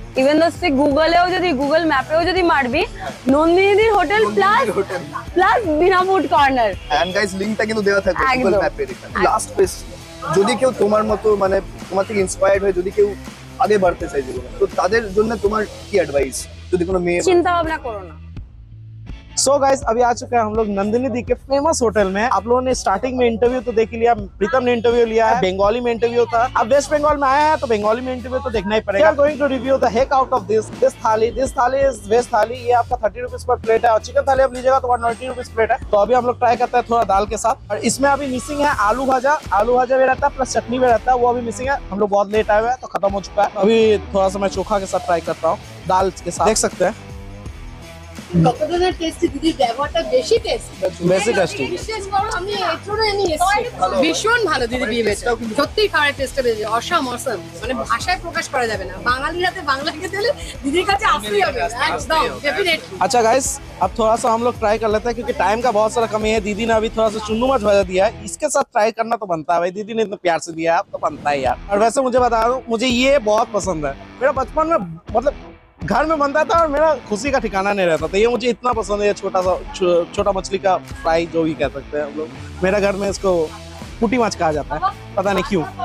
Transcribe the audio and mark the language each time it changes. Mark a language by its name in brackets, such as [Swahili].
[Bangla] Even though সে গুগলেও যদি, Google ম্যাপেও যদি মারবি নন্দিনীদির hotel plus plus Veena food corner, and guys লিংকটা কিন্তু দেওয়া থাকবে গুগল ম্যাপে। লাস্ট কোয়েশ্চন, যদি কেউ তোমার মতো মানে তোমার থেকে ইন্সপায়ার্ড হয়ে যদি কেউ আগে বাড়তে চাই জীবনে, তো তাদের জন্য তোমার কি অ্যাডভাইস? যদি কোনো মেয়ে চিন্তা ভাবনা করো না। [Hindi] सो गाइस, अभी आ चुके हैं हम लोग नंदिनी दी के फेमस होटल में। आप लोगों ने स्टार्टिंग में इंटरव्यू तो देख लिया, प्रीतम ने इंटरव्यू लिया है, बंगाली में इंटरव्यू था। अब वेस्ट बंगाल में आया है तो बंगाली में इंटरव्यू तो देखना ही पड़ेगा। [English] Going to review the heck out of this thali. This thali is waste thali, [Hindi] ये आपका 30 रुपीज पर प्लेट है, और चिकन थाली आप लीजिएगा तो 190 रुपीज प्लेट है। तो अभी हम लोग ट्राई करते हैं थोड़ा दाल के साथ, और इसमें अभी मिसिंग है आलू भाजा, आलू भाजा भी रहता है प्लस चटनी भी रहता है, वो अभी मिसिंग है। हम लोग बहुत लेट आए हुए हैं तो खत्म हो चुका है, अभी थोड़ा सा मैं चोखा के साथ ट्राई करता हूँ दाल के साथ, देख सकते हैं। [Bangla] ককটেলের টেস্টি দিদির ব্যবহারটা বেশি টেস্টি বেশি টেস্টি বিশেষ করে আমি এটুরে নিয়েছি ভীষণ ভালো দিদি বিয়েটা সত্যি খাওয়ার টেস্টটা বেশি অসাম অসাম মানে ভাষায় প্রকাশ করা যাবে না বাঙালিরাতে বাংলা খেতে গেলে দিদির কাছে আসতেই হবে একদম ডেফিনেটলি আচ্ছা গাইস [Hindi] अब थोड़ा सा हम लोग ट्राई कर लेते हैं क्योंकि टाइम का बहुत सारा कमी है। दीदी ने अभी थोड़ा सा चुन्नू मच भजा दिया है, इसके साथ ट्राई करना तो बनता है भाई। दीदी ने इतना प्यार से दिया है, अब तो बनता है यार। और वैसे मुझे बता दो, मुझे ये बहुत पसंद है। मेरा बचपन में मतलब घर में बनता था और मेरा खुशी का ठिकाना नहीं रहता था। ये मुझे इतना पसंद है, ये छोटा सा छोटा मछली का फ्राई जो भी कह सकते हैं हम लोग, मेरा घर में इसको कुटी माछ कहा जाता है, पता नहीं क्यों।